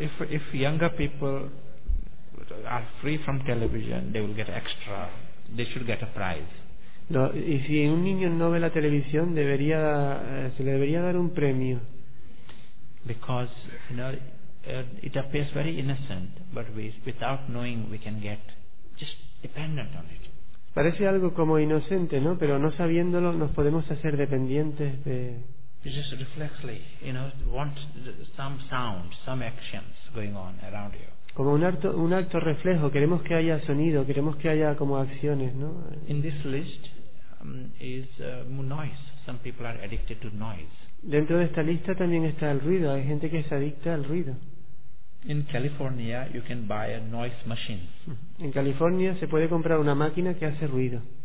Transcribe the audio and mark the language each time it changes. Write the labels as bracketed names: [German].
[English] If younger people are free from television, they will get extra. They should get a prize. [Spanish] No, y si un niño no ve la televisión, se le debería dar un premio. [English] Because you know, it appears very innocent, but without knowing, we can get just dependent on it. [Spanish] Parece algo como inocente, ¿no? Pero no sabiéndolo, nos podemos hacer dependientes de. [English] It's just reflexly, you know, want some sound, some actions going on around you. [Spanish] Como un acto reflejo, queremos que haya sonido, queremos que haya como acciones, ¿no? [English] In this list is noise. Some people are addicted to noise. [Spanish] Dentro de esta lista también está el ruido. Hay gente que es adicta al ruido. [English] In California, you can buy a noise machine. [Spanish] En California se puede comprar una máquina que hace ruido.